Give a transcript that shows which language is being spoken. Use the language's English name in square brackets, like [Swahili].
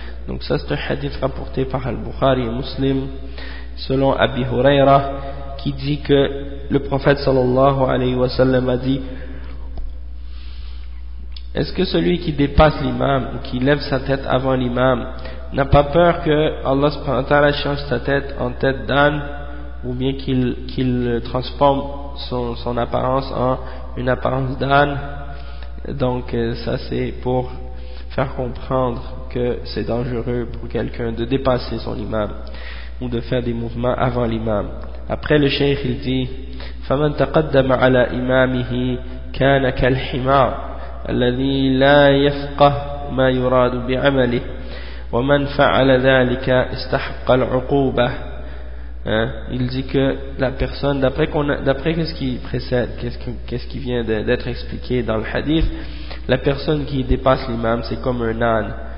[French] Donc ça c'est un hadith rapporté par Al-Bukhari et Muslim selon Abi Huraira, qui dit que le prophète sallallahu alayhi wa sallam a dit: est-ce que celui qui dépasse l'imam ou qui lève sa tête avant l'imam n'a pas peur que Allah subhanahu wa ta'ala change sa tête en tête d'âne, ou bien qu'il transforme son apparence en une apparence d'âne? Donc ça c'est pour faire comprendre que c'est dangereux pour quelqu'un de dépasser son imam ou de faire des mouvements avant l'imam. Après le cheikh il dit [Arabic] فَمَنْ تَقَدَّمَ عَلَى إِمَامِهِ كَانَ كَالْحِمَارِ الَّذِي لَا يَفْقَهُ مَا يُرَادُ بِعَمَلِهِ وَمَنْ فَعَلَ ذَلِكَ اسْتَحَقَّ الْعُقُوبَةِ. [French] Il dit que la personne, d'après qu'est-ce qui précède, qu'est-ce qui vient d'être expliqué dans le hadith, la personne qui dépasse l'imam, c'est comme un âne.